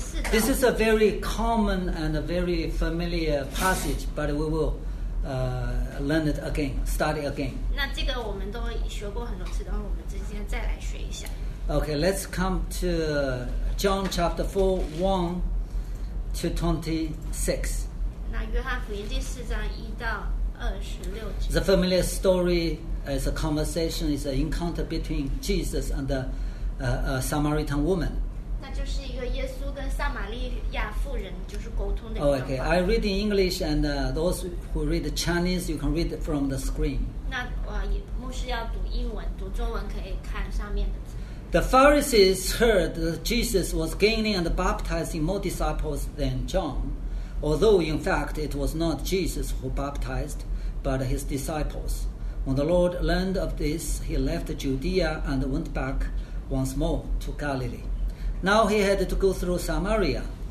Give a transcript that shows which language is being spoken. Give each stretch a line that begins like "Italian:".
English: This is a very common and a very familiar passage, but we will learn it again, study again.
Chinese: 那这个我们都学过很多次，然后我们今天再来学一下。
English: Okay, let's come to John chapter 4, 1 to 26.
Chinese: 那约翰福音第四章一到二十六节。
English: The familiar story is a conversation, is an encounter between Jesus and theA Samaritan woman.
Chinese: 那就是一个耶稣跟撒玛利亚妇人就是沟通的一个状况。
English: Okay, I read in English, and those who read Chinese, you can read from the screen.
Chinese: 那牧师要读英文，读中文可以看上面的字。
English: The Pharisees heard that Jesus was gaining and baptizing more disciples than John, although in fact it was not Jesus who baptized, but his disciples. When the Lord learned of this, he left Judea and went back. Once more to Galilee. Now he had to go through Samaria.